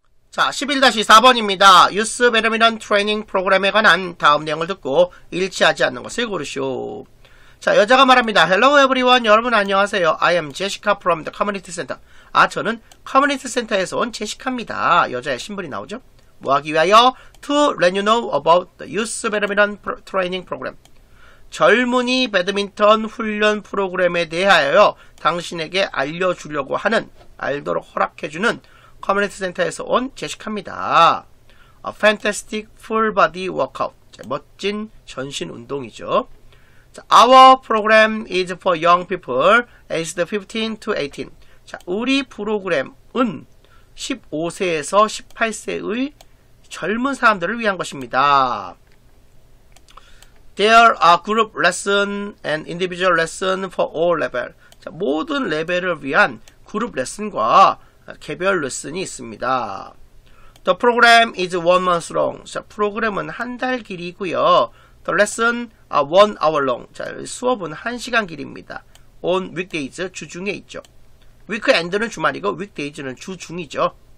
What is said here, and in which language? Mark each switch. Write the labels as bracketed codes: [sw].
[ko] 자, 11-4번입니다. 유스 베르미런 트레이닝 프로그램에 관한 다음 내용을 듣고 일치하지 않는 것을 고르시오. 자, 여자가 말합니다. [en] Hello everyone. [ko] 여러분 안녕하세요. [en] I am Jessica from the community center. [ko] 아, 저는 커뮤니티 센터에서 온 제시카입니다. 여자의 신분이 나오죠. 뭐 하기 위하여? [en] To let you know about the youth badminton training program. [ko] 젊은이 배드민턴 훈련 프로그램에 대하여 당신에게 알려주려고 하는, 알도록 허락해주는 커뮤니티 센터에서 온 제시카입니다. [en] A fantastic full body workout. [ko] 자, 멋진 전신 운동이죠. [en] Our program is for young people aged 15 to 18. [ko] 자, 우리 프로그램은 15세에서 18세의 젊은 사람들을 위한 것입니다. [en] There are group lessons and individual lessons for all levels. [ko] 자, 모든 레벨을 위한 그룹 레슨과 개별 레슨이 있습니다. [en] The program is 1 month long. [ko] 자, 프로그램은 한 달 길이고요. [en] The lesson are 1 hour long. [ko] 자, 수업은 1시간 길입니다. [en] On weekdays, [ko] 주중에 있죠. Weekend는 주말이고 weekdays는 주중이죠.